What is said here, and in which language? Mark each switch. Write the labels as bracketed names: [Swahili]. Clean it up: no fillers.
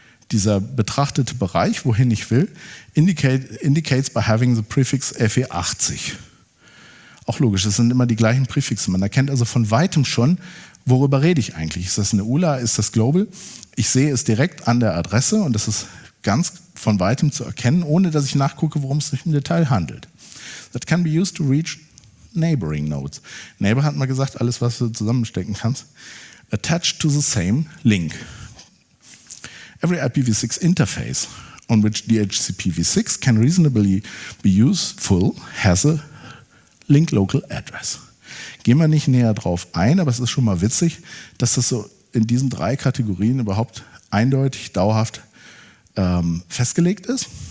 [German] dieser betrachtete Bereich, wohin ich will, [English] indicates by having the prefix FE80. [German] Auch logisch, das sind immer die gleichen Präfixe. Man erkennt also von Weitem schon, worüber rede ich eigentlich? Ist das eine ULA, ist das Global? Ich sehe es direkt an der Adresse und das ist ganz von Weitem zu erkennen, ohne dass ich nachgucke, worum es sich im Detail handelt. [English] That can be used to reach neighboring nodes. [German] Neighbor hat mal gesagt, alles, was du zusammenstecken kannst. [English] Attached to the same link. Every IPv6 interface on which DHCPv6 can reasonably be useful has a link local address. [German] Gehen wir nicht näher drauf ein, aber es ist schon mal witzig, dass das so in diesen drei Kategorien überhaupt eindeutig, dauerhaft festgelegt ist.